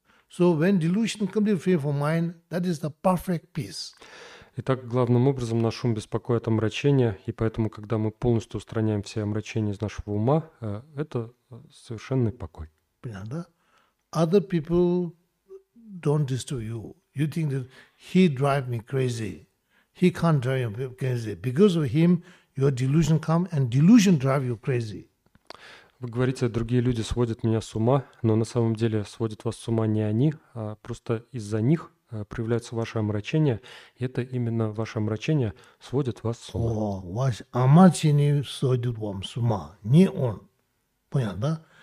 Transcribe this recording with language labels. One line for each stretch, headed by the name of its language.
English: So when delusion completely free from mind, that is the perfect peace.
Russian: Итак, главным образом наш ум беспокоит омрачение, и поэтому, когда мы полностью устраняем все омрачения из нашего ума, это совершенный покой. Понятно, да?
English: Other people don't disturb you. You think that he drive me crazy. He can't drive me crazy. Because of him, your delusion come and delusion drive you crazy.
Russian: Вы говорите, другие люди сводят меня с ума, но на самом деле сводят вас с ума не они, а просто из-за них проявляется ваше омрачение, и это именно ваше омрачение сводит вас с ума. О, ваше омрачение сводит вам с ума, не он. Понятно, да?